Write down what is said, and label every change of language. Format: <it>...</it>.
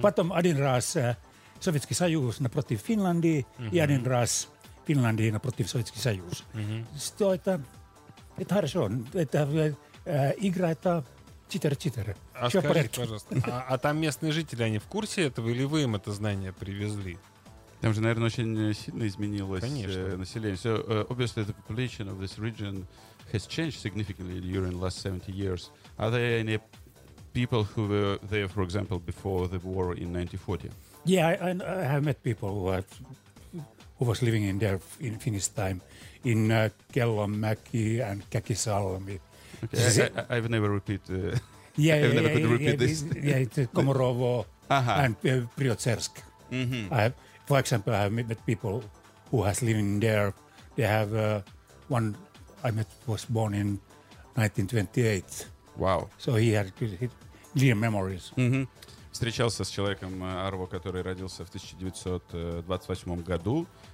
<ru>Потом один раз Советский Союз напротив Финляндии mm-hmm. и один раз Финляндии напротив Советский Союз. Mm-hmm. То это хорошо. Это игра, это 4-4. А скажите, пожалуйста, а там местные жители, они в курсе этого или вы им это знание привезли? Там же, наверное, очень сильно изменилось население.</ru> <en>So, obviously, the population of this region has changed significantly during the last 70 years. Are there any people who were there, for example, before the war in 1940? Yeah, I have met people who was living in there in Finnish time, in Kellonmäki and Käkisalmi. Okay. I've never repeat. This. Yeah, it's Komorovo and Priotsersk. Mm-hmm. For example, I have met people who has lived there. They have one I met was born in 1928. Wow. So he had clear memories. Mm-hmm.</en> <ru>Встречался с человеком Арво, который родился в 1928 году.</ru>